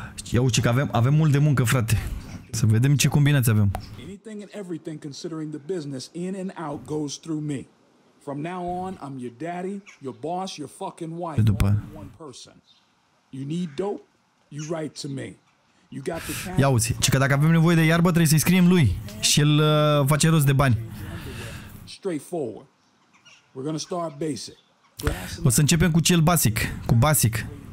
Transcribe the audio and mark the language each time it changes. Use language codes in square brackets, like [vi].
[ro] Ia uite că avem mult de muncă, frate. Să vedem ce combinații avem. [en] Anything and everything considering the business in and out goes through me. From now on, I'm your daddy, your boss, your fucking wife, only one person. You need dope? You write to me. You got the cash? [ro] Ia uzi, ci că dacă avem nevoie de iarbă, trebuie să-i scriem lui și el face rost de bani. Straightforward. [en] We're gonna start basic. [ro] O să începem cu cel basic, cu basic.